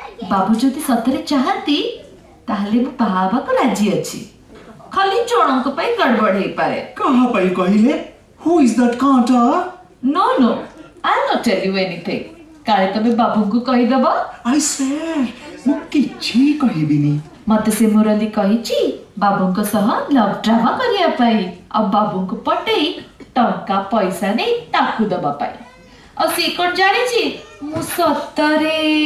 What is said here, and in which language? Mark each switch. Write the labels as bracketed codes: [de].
[or] ବାବୁ ଯଦି ସତରେ ଚାହାନ୍ତି ତାହେଲେ ମୁଁ ବାହା ହେବାକୁ ରାଜି ଅଛି, ଖାଲି ଜଣଙ୍କ ପାଇଁ ଗଡବଡ ହେଇପାରେ। କାହା ପାଇଁ କହିଲେ? [en] Who is that canta? No, no, I'll not tell you anything. [or] କାଳେ ତମେ ବାବୁଙ୍କୁ କହିଦବ। [en] I swear, [or] ମୁଁ କିଛି କହିବିନି। ମତେ ସେ ମୁରଲୀ କହିଛି ବାବୁଙ୍କ ସହ ଲଭ୍ ଡ୍ରାମା କରିବା ପାଇଁ ଆଉ ବାବୁଙ୍କୁ ପଟେଇ ଟଙ୍କା ପଇସା ନେଇ ତାକୁ ଦବା ପାଇଁ। ଆଉ ସେ କଣ ଜାଣିଛି ମୁଁ ସତରେ